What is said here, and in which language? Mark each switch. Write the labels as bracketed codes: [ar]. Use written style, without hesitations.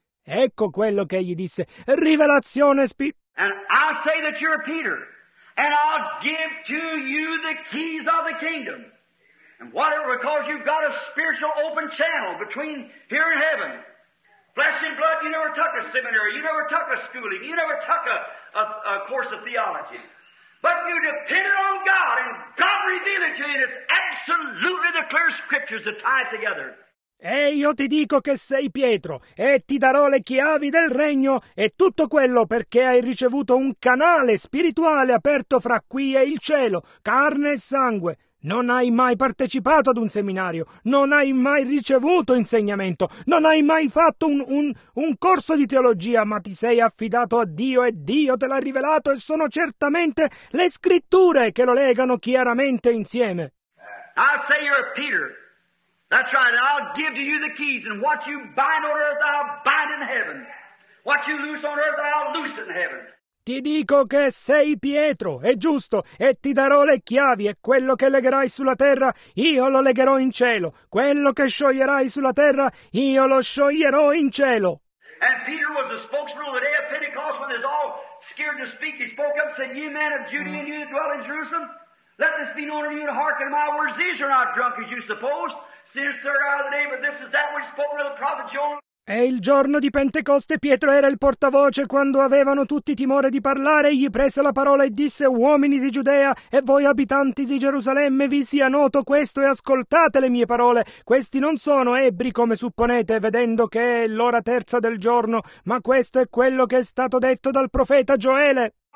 [it] Ecco quello che egli disse, rivelazione [en] And I say that you're Peter, and I'll give to you the keys of the kingdom. And whatever, because you've got a spiritual open channel between here and heaven. Flesh and blood, you never took a seminary, you never took a schooling, you never took a course of theology. But you depended on God, and God revealed it to you, and it's absolutely the clear scriptures that tie it together. [it] E io ti dico che sei Pietro, e ti darò le chiavi del regno, e tutto quello perché hai ricevuto un canale spirituale aperto fra qui e il cielo, carne e sangue. Non hai mai partecipato ad un seminario, non hai mai ricevuto insegnamento, non hai mai fatto un corso di teologia, ma ti sei affidato a Dio e Dio te l'ha rivelato e sono certamente le scritture che lo legano chiaramente insieme. [en] I say you're Peter. That's right, and I'll give to you the keys, and what you bind on earth I'll bind in heaven. What you loose on earth I'll loose in heaven. [it] Ti dico che sei Pietro, è giusto, e ti darò le chiavi, e quello che legherai sulla terra, io lo legherò in cielo. Quello che scioglierai sulla terra, io lo scioglierò in cielo. [en] And Peter was the spokesman on the day of Pentecost when they were all scared to speak. He spoke up and said, ye men of Judea and you that dwell in Jerusalem, let this be known of you and hearken to my words. These are not drunk as you suppose, since they're out of the day, but this is that which spoke to the prophet Jonah. [it] E il giorno di Pentecoste Pietro era il portavoce quando avevano tutti timore di parlare, gli prese la parola e disse, uomini di Giudea e voi abitanti di Gerusalemme, vi sia noto questo e ascoltate le mie parole. Questi non sono ebri come supponete, vedendo che è l'ora terza del giorno, ma questo è quello che è stato detto dal profeta Gioele.